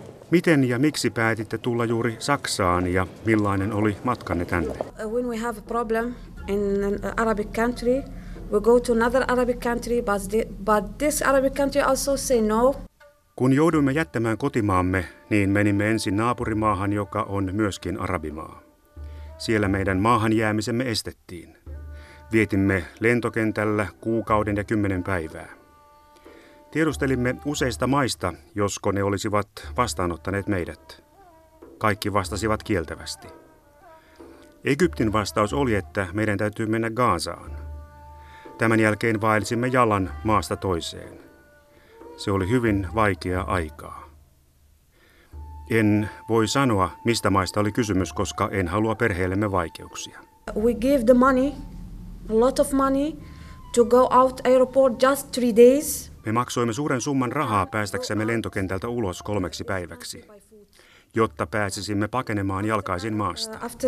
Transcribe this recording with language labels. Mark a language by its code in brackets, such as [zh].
[fi] Miten ja miksi päätitte tulla juuri Saksaan ja millainen oli matkanne tänne? [en] When we have a problem in an Arabic country, we go to another Arabic country, but this Arabic country also say no. [fi] Kun jouduimme jättämään kotimaamme, niin menimme ensin naapurimaahan, joka on myöskin arabimaa. Siellä meidän maahan jäämisemme estettiin. Vietimme lentokentällä 1 kuukauden ja 10 päivää. Tiedustelimme useista maista, josko ne olisivat vastaanottaneet meidät. Kaikki vastasivat kieltävästi. Egyptin vastaus oli, että meidän täytyy mennä Gazaan. Tämän jälkeen vaelsimme jalan maasta toiseen. Se oli hyvin vaikeaa aikaa. En voi sanoa, mistä maista oli kysymys, koska en halua perheellemme vaikeuksia. [en] We gave the money, a lot of money, to go out airport just 3 days. [fi] Me maksoimme suuren summan rahaa päästäksemme lentokentältä ulos 3 päiväksi, jotta pääsisimme pakenemaan jalkaisin maasta.